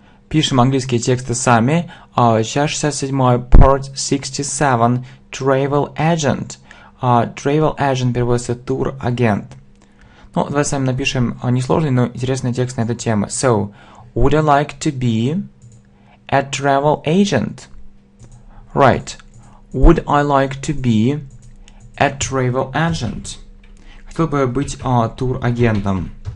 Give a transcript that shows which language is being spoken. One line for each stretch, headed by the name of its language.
Russian: Пишем английские тексты сами. Часть 67,
English: part 67, Travel Agent.
Russian: Travel Agent переводится тур-агент. Ну, давай сами напишем несложный, но интересный текст на эту тему.
English: So, would I like to be a travel agent? Right. Would I like to be a travel agent?
Russian: Хотел бы быть тур-агентом.